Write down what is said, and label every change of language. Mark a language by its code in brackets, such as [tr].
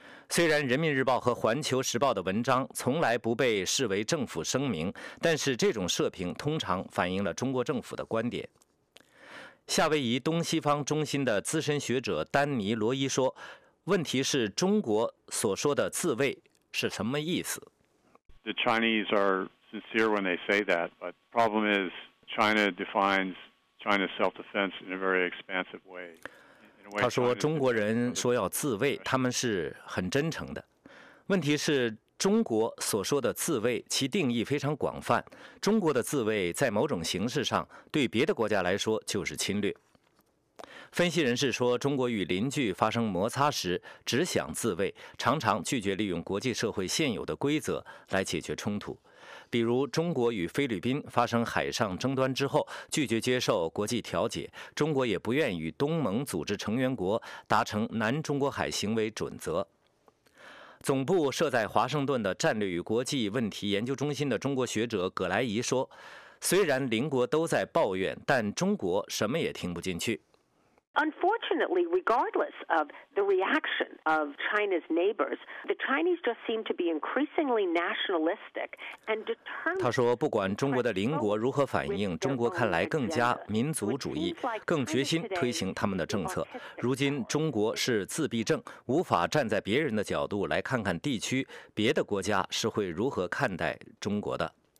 [zh] 虽然《人民日报》和《环球时报》的文章从来不被视为政府声明，但是这种社评通常反映了中国政府的观点。夏威夷东西方中心的资深学者丹尼·罗伊说，问题是中国所说的自卫是什么意思？ [en] The Chinese are sincere when they say that, but the problem is China defines China's self-defense in a very expansive way. [zh] 他说中国人说要自卫，他们是很真诚的。问题是中国所说的自卫，其定义非常广泛。中国的自卫在某种形式上，对别的国家来说就是侵略。分析人士说，中国与邻居发生摩擦时只想自卫，常常拒绝利用国际社会现有的规则来解决冲突。比如中国与菲律宾发生海上争端之后，拒绝接受国际调解，中国也不愿与东盟组织成员国达成南中国海行为准则。总部设在华盛顿的战略与国际问题研究中心的中国学者葛莱仪说，虽然邻国都在抱怨，但中国什么也听不进去。 [en] Unfortunately, regardless of the reaction of China's neighbors, the Chinese just seem to be increasingly nationalistic and determined. [zh] 他说，不管中国的邻国如何反应，中国看来更加民族主义，更决心推行他们的政策。如今，中国是自闭症，无法站在别人的角度来看看地区别的国家是会如何看待中国的。